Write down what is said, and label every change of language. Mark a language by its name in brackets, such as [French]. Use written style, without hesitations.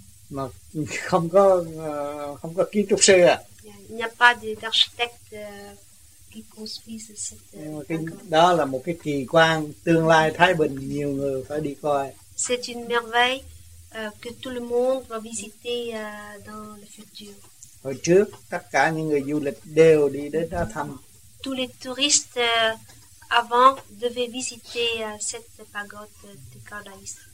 [Vietnamese] Mà không có không có kiến trúc sư à? [French] Il n'y a pas d'architecte qui construise cette. [Vietnamese] Đó là một cái kỳ quan tương lai Thái Bình nhiều người phải đi coi. [French] C'est une merveille que tout le monde va visiter dans le futur. [Vietnamese] Hồi trước tất cả những người du lịch đều đi đến đó thăm. [French] Tous les touristes avant devaient visiter cette pagode de Cao Dai.